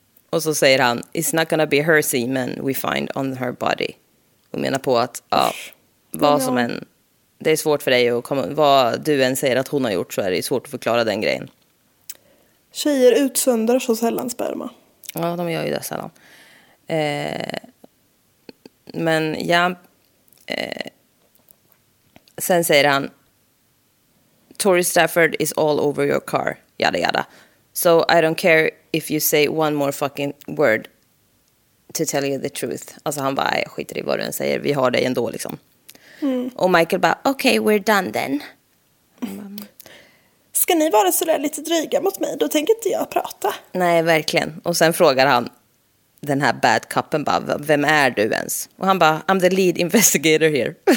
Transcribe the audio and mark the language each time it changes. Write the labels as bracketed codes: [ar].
[sv] Och så säger han, [en] it's not gonna be her semen we find on her body. [sv] Och menar på att, ja, vad som än, det är svårt för dig att komma, vad du än säger att hon har gjort så är det svårt att förklara den grejen. Tjejer utsöndrar så sällan sperma. Ja, de gör ju det sällan. Men ja, sen säger han, [en] Tori Stafford is all over your car, yada yada. So I don't care if you say one more fucking word to tell you the truth. [sv] Alltså han bara, skiter i vad du än säger. Vi har dig ändå liksom. Mm. Och Michael bara, [en] okay, we're done then. [sv] Ska ni vara så där lite dryga mot mig? Då tänker inte jag prata. Nej, verkligen. Och sen frågar han den här bad copen bara, vem är du ens? Och han bara, [en] I'm the lead investigator here.